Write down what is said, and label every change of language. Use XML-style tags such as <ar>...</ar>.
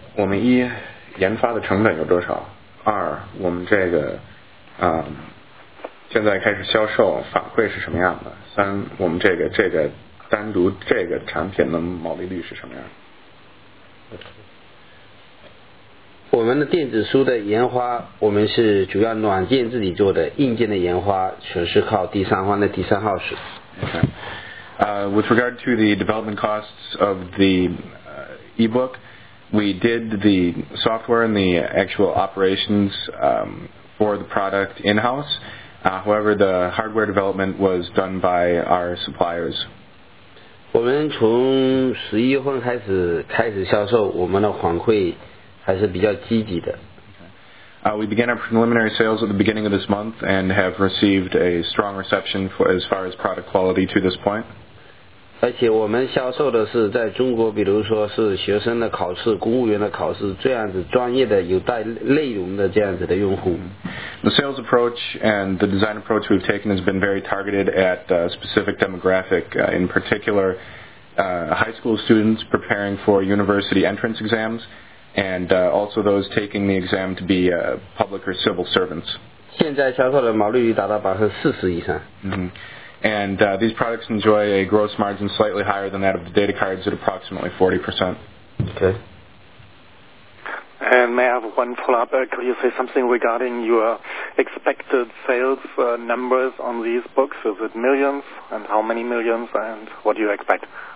<zh>我们一研发的成本有多少，二我们这个现在开始销售反馈是什么样的，三我们这个单独这个产品的毛利率是什么样的。我们的电子书的研发，我们是主要软件自己做的，硬件的研发全是靠第三方的第三号室。</zh> <en>With regard to the development costs of the ebook, we did the software and the actual operations for the product in-house. However, the hardware development was done by our suppliers.</en> <zh>我们从11月份开始销售，我们的反馈还是比较积极的。</zh> <en>We began our preliminary sales at the beginning of this month and have received a strong reception for as far as product quality to this point.</en> <zh>而且我们销售的是在中国，比如说是学生的考试、公务员的考试这样子专业的有带内容的这样子的用户。</zh> <en>The sales approach and the design approach we've taken has been very targeted at a specific demographic, in particular, high school students preparing for university entrance exams. And also those taking the exam to be public or civil servants.</en> <zh>现在销售的毛利率达到40%以上。</zh> <en>And these products enjoy a gross margin slightly higher than that of the data cards at approximately 40%. Okay. And may I have one follow-up? Could you say something regarding your expected sales numbers on these books? Is it millions? And how many millions? And what do you expect?</en>